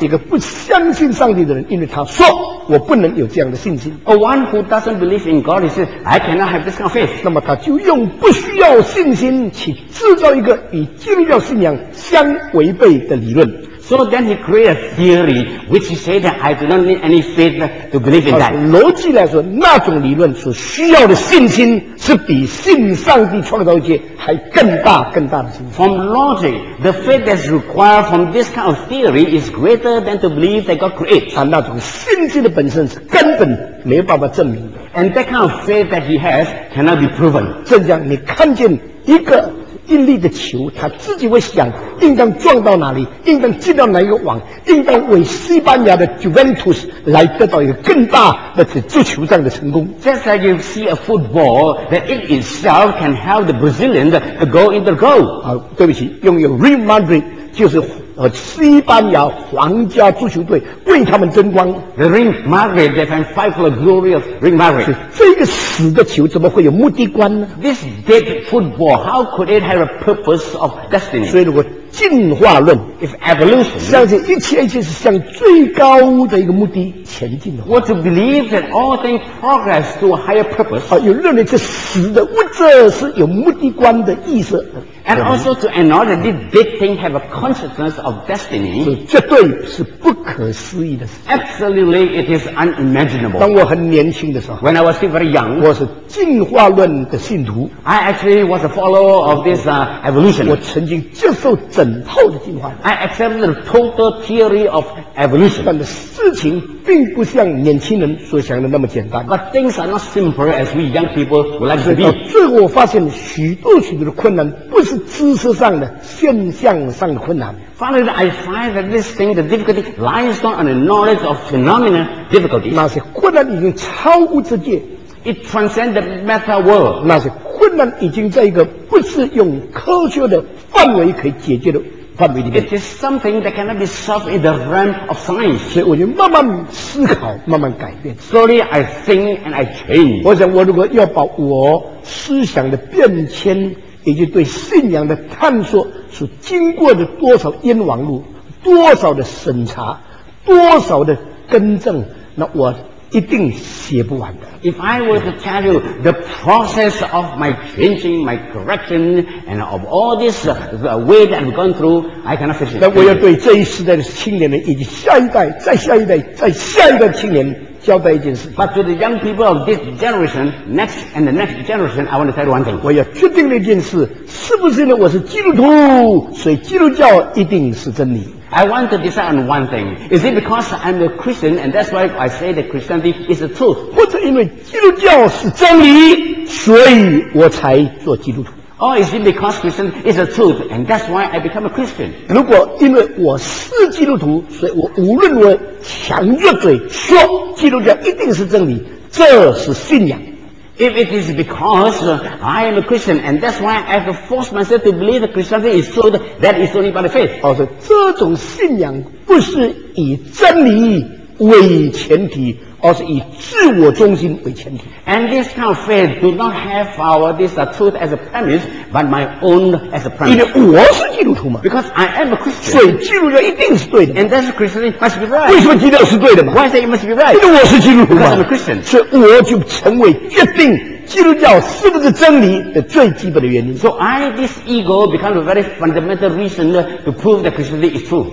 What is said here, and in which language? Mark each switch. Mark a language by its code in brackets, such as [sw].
[zh] 一个不相信上帝的人，因为他说我不能有这样的信心。 [en] A one who doesn't believe in God, he says, I cannot have this kind of faith. [zh] 那么他就用不需要信心去制造一个与基督教信仰相违背的理论。 [en] So then he created a theory which he said that I do not need any faith to believe in that. [zh] 逻辑来说，那种理论所需要的信心是比信上帝创造界还更大更大的信心。 [en] From logic, the faith that's required from this kind of theory is greater than to believe that God creates. [zh] 那种信心的本身是根本没有办法证明的。 [en] And that kind of faith that he has cannot be proven. [zh] 正像你看见一个引力的球，他自己会想应当撞到哪里，应当进到哪一个网，应当为西班牙的 Juventus 来得到一个更大的足球上的成功。 [en] Just like you see a football that it itself can help the Brazilian to go in the goal. [zh] 好，对不起，用一个 Real Madrid 就是西班牙皇家足球队为他们争光。 [en] The Real Madrid, they can fight for the glory of Real Madrid. [zh] 这个死的球怎么会有目的观呢 [en] ？This dead football, how could it have a purpose of destiny? [zh] 所以如果进化论 [en] ，if evolution， [zh] 相信一切是向最高的一个目的前进的话。 [en] What to believe that all things progress to a higher purpose？ [zh] 啊，有认为这死的物质是有目的观的意思。 [en] And also to acknowledge that this big thing have a consequence of destiny， [zh] 是绝对是不可思议的事。 [en] Absolutely, it is unimaginable。 [zh] 当我很年轻的时候 [en] ，when I was still very young， [zh] 我是进化论的信徒。 [en] I actually was a follower of this evolution。 [zh] 我曾经接受整套的进化论。 [en] I accepted the total theory of evolution。 [zh] 但是事情并不像年轻人所想的那么简单。 [en] But things are not simple as we young people would like to be。 [zh] 最后我发现许多许多的困难不。是知识上的现象上的困难。 [en] Finally, I find that this thing, the difficulty lies not on the knowledge of phenomena difficulty. [zh] 那些困难已经超乎这界。 [en] It transcends the matter world. [zh] 那些困难已经在一个不是用科学的范围可以解决的范围里面。 [en] It is something that cannot be solved in the realm of science. [zh] 所以我就慢慢思考，慢慢改变。 [en] Slowly, I think and I change. [zh] 我想，我如果要把我思想的变迁以及对信仰的探索是经过的多少冤枉路，多少的审查，多少的更正，那我一定写不完的。 [en] If I were to tell you the process of my changing, my correction, and of all this the way that I've gone through, I cannot finish it. [zh] 那我要对这一时代的青年们，以及下一代、再下一代、再下一代青年。交代一件事 [en] But to the young people of this generation, next and the next generation, I want to tell you one thing. [zh] 我要确定那件事，是不是呢？我是基督徒，所以基督教一定是真理。 [en] I want to decide on one thing. Is it because I'm a Christian and that's why I say that Christianity is the truth? [zh] 或者因为基督教是真理，所以我才做基督徒。 [en] Or is it because Christian is the truth, and that's why I become a Christian? [zh] 如果因为我是基督徒，所以我无论我强着嘴说基督教一定是真理，这是信仰。 [en] If it is because I am a Christian, and that's why I have forced myself to believe that Christianity is truth, that is only by the faith. [zh] 哦，所以这种信仰不是以真理为前提。而是以自我中心为前提。 [en] And this kind of faith do not have our this truth as a premise, but my own as a premise. [zh] 因为我是基督徒嘛。 [en] Because I am a Christian. [zh] 所以基督教一定是对的。 [en] And that's Christianity must be right. [zh] 为什么基督教是对的嘛 [en] ？Why say it must be right? [zh] 因为我是基督徒嘛。 [en] Because I'm a Christian. [zh] 所以我就成为决定基督教是不是真理的最基本的原因。 [en] So I, this ego, becomes a very fundamental reason to prove that Christianity is true.